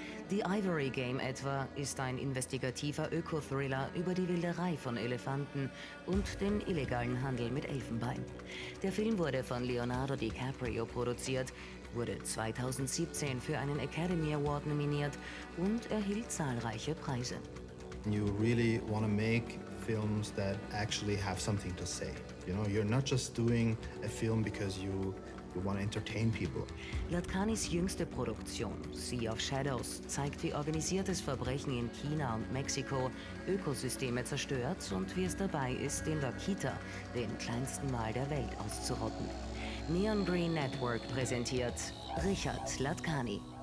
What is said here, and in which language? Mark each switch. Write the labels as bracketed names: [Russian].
[German] The Ivory Game etwa ist ein investigativer Öko-Thriller über die Wilderei von Elefanten und den illegalen Handel mit Elfenbein. Der Film wurde von Leonardo DiCaprio produziert, wurde 2017 für einen Academy Award nominiert und erhielt zahlreiche Preise. [English] You really want to make films that actually have something to say. You know, you're not just doing a film because you want to entertain people. [German] Latkanis jüngste Produktion, Sea of Shadows, zeigt, wie organisiertes Verbrechen in China und Mexiko Ökosysteme zerstört und wie es dabei ist, den Wakita, den kleinsten Wal der Welt, auszurotten. Neon Green Network präsentiert Richard Latkani.